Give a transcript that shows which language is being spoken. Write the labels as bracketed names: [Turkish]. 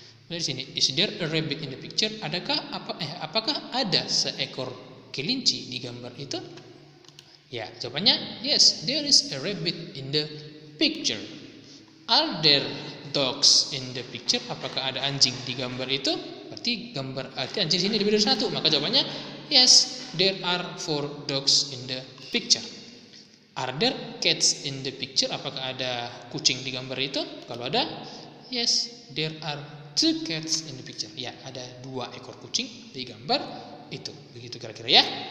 [Indonesian] Dari sini, is there a rabbit in the picture? Apakah ada seekor kelinci di gambar itu? [English] Ya, jawabannya yes, there is a rabbit in the picture. [Indonesian] Are there dogs in the picture? Apakah ada anjing di gambar itu? Berarti gambar arti anjing sini lebih dari satu. [English] Maka jawabannya yes, there are 4 dogs in the picture. [Indonesian] Are there cats in the picture? Apakah ada kucing di gambar itu? [English] Kalau ada, yes, there are 2 cats in the picture. [Indonesian] Ya, ada 2 ekor kucing di gambar itu. Begitu kira-kira ya.